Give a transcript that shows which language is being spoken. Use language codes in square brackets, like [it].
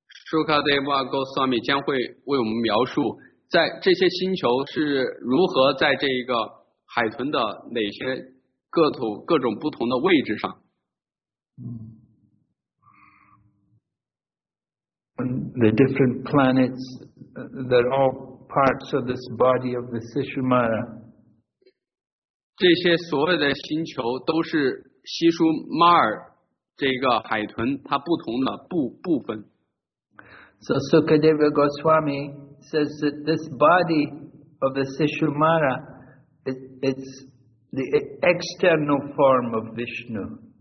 [zh] Sukadeva Goswami 将会为我们描述在这些星球是如何在这个海豚的哪些各种不同的位置上。 [en] And the different planets, they're all parts of this body of the Sishumara. [zh] 这些所有的星球都是西舒马尔这个海豚它不同的部分。 [en] So Sukadeva Goswami says that this body of the Sishumara, it's the external form of Vishnu.